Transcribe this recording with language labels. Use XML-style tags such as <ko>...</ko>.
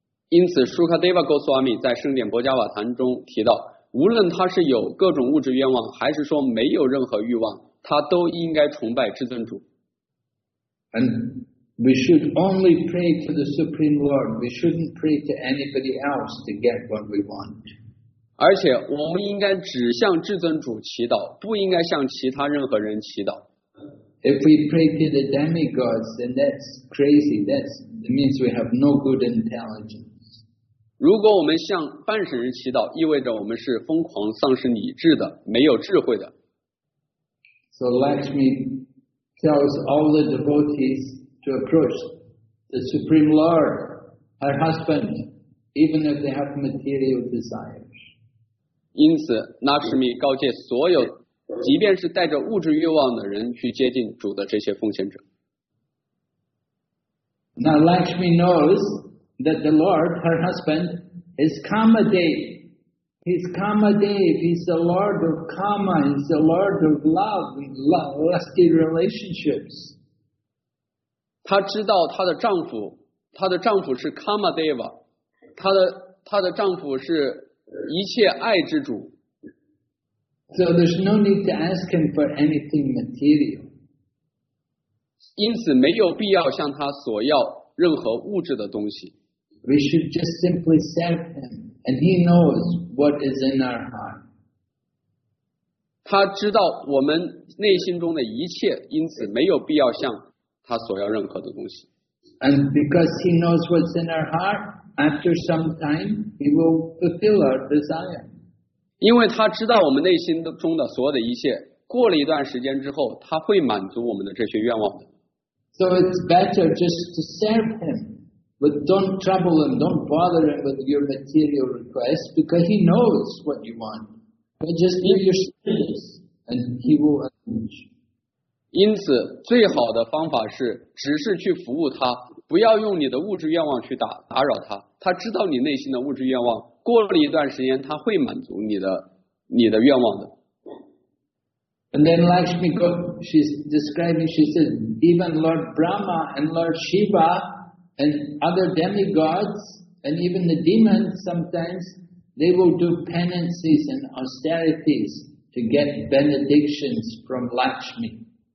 <zh>因此 Sukadeva Goswami 在圣典博迦瓦坛中提到，无论他是有各种物质愿望还是说没有任何欲望，他都应该崇拜至尊主。</zh> <en>And we should only pray to the Supreme Lord. We shouldn't pray to anybody else to get what we want.</en> <zh>而且我们应该只向至尊主祈祷，不应该向其他任何人祈祷。</zh> <en>If we pray to the demigods, then that's crazy. That means we have no good intelligence.</en> <zh>如果我们向半神人祈祷，意味着我们是疯狂、丧失理智的、没有智慧的。</zh> <en>So Lakshmi tells all the devotees to approach the Supreme Lord, her husband, even if they have material desires.</en> <zh>因此，纳什米告诫所有，即便是带着物质欲望的人去接近主的这些奉献者。</zh> <en>Now Lakshmi knows that the Lord, her husband, is Kamadev. He's Kamadev. He's the Lord of Kama. He's the Lord of love, lusty relationships.</en> <zh>她知道她的丈夫，她的丈夫是 Kamadeva， 她的丈夫是一切爱之主。</zh> <en>So there's no need to ask him for anything material.</en> <zh>因此没有必要向他索要任何物质的东西。</zh> <en>We should just simply serve him, and he knows what is in our heart.</en> <zh>他知道我们内心中的一切，因此没有必要向他索要任何的东西。</zh> <en>And because he knows what's in our heart, after some time, he will fulfill our desire.</en> <zh>因为他知道我们内心中的所有的一切，过了一段时间之后，他会满足我们的这些愿望的。</zh> <en>So it's better just to serve him, but don't trouble him, don't bother him with your material requests, because he knows what you want. But just do your service, and he will arrange.</en> <zh>因此，最好的方法是只是去服务他，不要用你的物质愿望去打扰他。他知道你内心的物质愿望。过了一段时间，他会满足你的愿望的。</zh> <en>And then Lakshmi goes, she's describing, she says, even Lord Brahma and Lord Shiva and other demigods and even the demons sometimes, they will do penances and austerities to get benedictions from Lakshmi.</en>